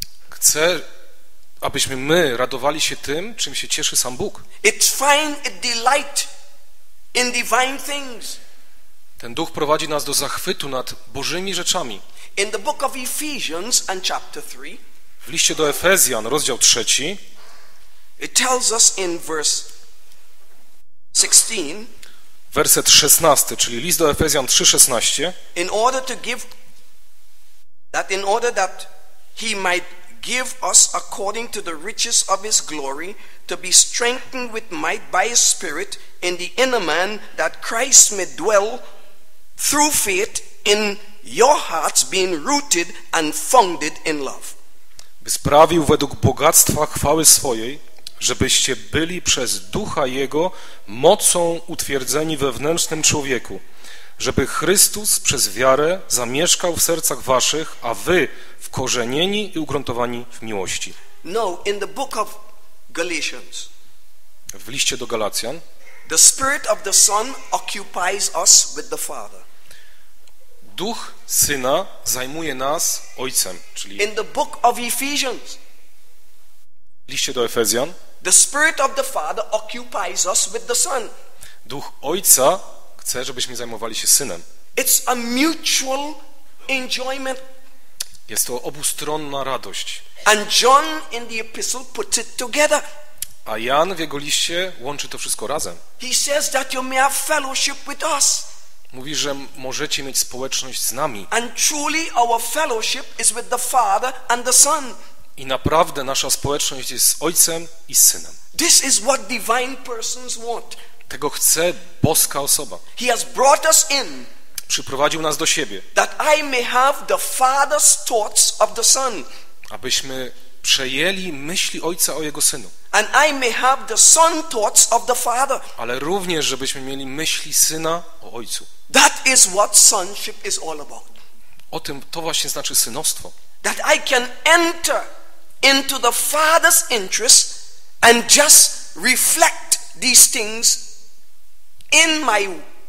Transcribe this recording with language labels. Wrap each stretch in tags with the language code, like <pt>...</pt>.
<pl>Chce, abyśmy my radowali się tym, czym się cieszy sam Bóg.</pl> <en>It finds a delight in divine things.</en> <pl>Ten duch prowadzi nas do zachwytu nad Bożymi rzeczami.</pl> <en>In the book of Ephesians and chapter 3,</en> <pl>w liście do Efezjan, rozdział 3,</pl> <en>it tells us in verse 16,</en> <pl>werset 16, czyli list do Efezjan 3:16.</pl> <en>In order to give that in order that he might give us according to the riches of his glory to be strengthened with might by his spirit in the inner man that Christ may dwell through faith in your hearts being rooted and founded in love.</en> <pl>By sprawił według bogactwa chwały swojej, żebyście byli przez Ducha Jego mocą utwierdzeni we wnętrznym człowieku, żeby Chrystus przez wiarę zamieszkał w sercach waszych, a wy wkorzenieni i ugruntowani w miłości.</pl> <en>No, in the book of Galatians,</en> <pl>w liście do Galacjan,</pl> <en>the spirit of the son occupies us with the father.</en> <pl>Duch Syna zajmuje nas Ojcem, czyli</pl> <en>in the book of Ephesians,</en> <pl>w liście do Efezjan,</pl> <en>the spirit of the father occupies us with the son.</en> <pl>Duch Ojca chce, żebyśmy zajmowali się Synem.</pl> <en>It's a mutual enjoyment.</en> <pl>Jest to obustronna radość.</pl> <en>And John in the epistle puts it together.</en> <pl>A Jan w jego liście łączy to wszystko razem.</pl> <en>He says that you may have fellowship with us.</en> <pl>Mówi, że możecie mieć społeczność z nami.</pl> <en>And truly our fellowship is with the Father and the Son.</en> <pl>I naprawdę nasza społeczność jest z Ojcem i z Synem.</pl> <en>This is what divine persons want.</en> <pl>Tego chce boska osoba.</pl> <en>He has brought us in.</en> <pl>Przyprowadził nas do siebie.</pl> <en>That I may have the Father's thoughts of the Son.</en> <pl>Abyśmy przejęli myśli Ojca o jego Synu.</pl> <en>And I may have the Son thoughts of the Father.</en> <pl>Ale również, żebyśmy mieli myśli Syna o Ojcu.</pl> <en>That is what sonship is all about.</en> <pl>O tym to właśnie znaczy synostwo.</pl> <en>That I can enter into the Father's interest and just reflect these things in my</en>